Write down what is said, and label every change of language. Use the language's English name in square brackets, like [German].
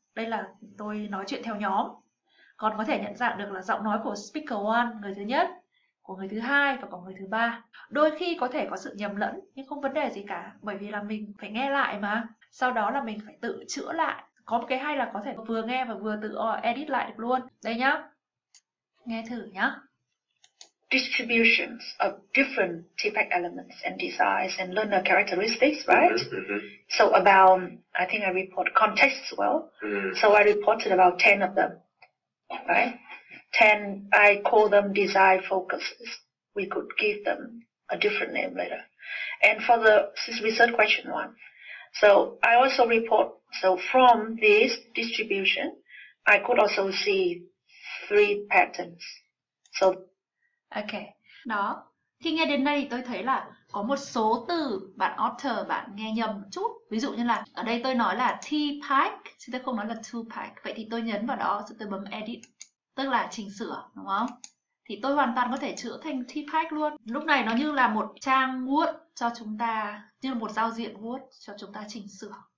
[Vietnamese] Đây là tôi nói chuyện theo nhóm. Còn có thể nhận dạng được là giọng nói của speaker 1, người thứ nhất, của người thứ hai và của người thứ ba. Đôi khi có thể có sự nhầm lẫn nhưng không vấn đề gì cả, bởi vì là mình phải nghe lại mà. Sau đó là mình phải tự chữa lại. Có một cái hay là có thể vừa nghe và vừa tự edit lại được luôn. Đây nhá. Nghe thử nhá. [English] Distributions of different TPEG elements and designs and learner characteristics, right? Mm-hmm. So about, I think I report context as well. Mm-hmm. So I reported about 10 of them, right? 10, I call them design focuses. We could give them a different name later. And for the research question one, so I also report, so from this distribution, I could also see three patterns. So [Vietnamese] OK, đó. Khi nghe đến đây thì tôi thấy là có một số từ bạn Otter bạn nghe nhầm một chút. Ví dụ như là ở đây tôi nói là T-Pack, chứ tôi không nói là T-Pack. Vậy thì tôi nhấn vào đó, rồi tôi bấm Edit, tức là chỉnh sửa, đúng không? Thì tôi hoàn toàn có thể chữa thành T-Pack luôn. Lúc này nó như là một trang Word cho chúng ta, như là một giao diện Word cho chúng ta chỉnh sửa.